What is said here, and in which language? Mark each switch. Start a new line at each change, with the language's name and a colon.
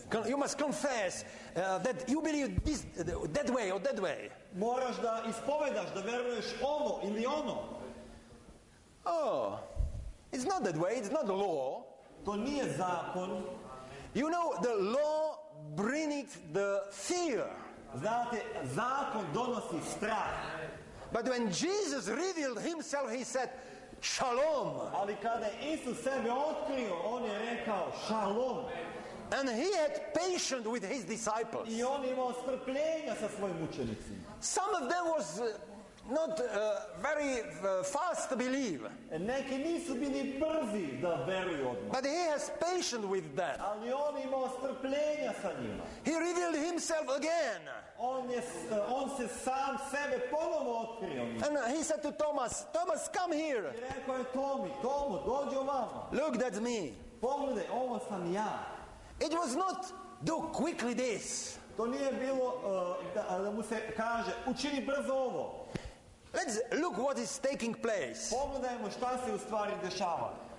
English: You must confess that you believe this that way or that way.
Serbian: Moraš da ispovedaš da veruješ ovo ili ono.
English: Oh, it's not that way. It's not the law.
Serbian: To nije zakon.
English: You know, the law brings the fear.
Serbian: Znate, zakon donosi strah.
English: But when Jesus revealed himself, he said, Shalom.
Serbian: Ali kada Isus sebe otkrio, on je rekao, Shalom.
English: And he had patience with his disciples.
Serbian: I on imao strpljenja sa svojim učenicima.
English: Some of them was not very fast to believe.
Serbian: Neki nisu bili brzi da veruju odmah.
English: But he has patience with that.
Serbian: Ali on imao strpljenja sa njima.
English: He revealed himself again.
Serbian: On se sam sebe ponovo otkrio.
English: And he said to Thomas, Thomas, come here.
Serbian: I rekao je Tomi, Tomo, dođi ovamo.
English: Look, that's me.
Serbian: Pogledaj, ovo sam ja.
English: It was not do quickly this.
Serbian: To nije bilo da mu se kaže, učini brzo ovo.
English: Let's look what is taking place.
Serbian: Pogledajmo šta se u stvari dešava.